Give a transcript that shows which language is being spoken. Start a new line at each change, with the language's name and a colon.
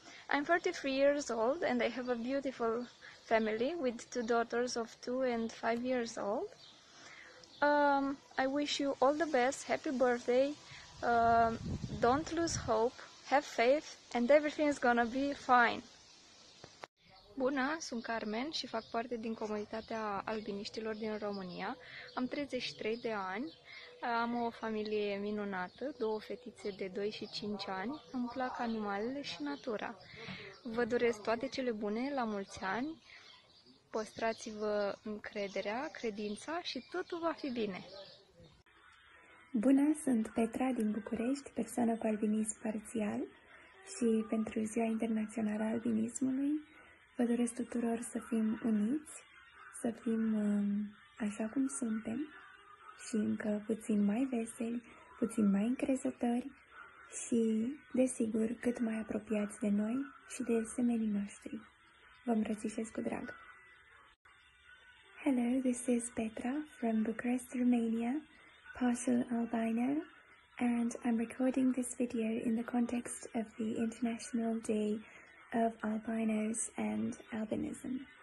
English: I'm 43 years old and I have a beautiful family with two daughters of 2 and 5 years old. I wish you all the best, happy birthday, don't lose hope, have faith and everything is gonna be fine.
Romanian: Bună, sunt Carmen și fac parte din comunitatea albiniștilor din România. Am 33 de ani. Am o familie minunată, două fetițe de 2 și 5 ani, îmi plac animalele și natura. Vă doresc toate cele bune, la mulți ani, păstrați-vă încrederea, credința și totul va fi bine! Bună, sunt Petra din București, persoană cu albinism parțial și pentru Ziua Internațională a Albinismului vă doresc tuturor să fim uniți, să fim așa cum suntem, și încă puțin mai veseli, puțin mai încrezători și, desigur, cât mai apropiați de noi și de semenii noștri. Vă îmbrățișez cu drag!
English: Hello, this is Petra from Bucharest, Romania, partial albino, and I'm recording this video in the context of the International Day of Albinos and Albinism.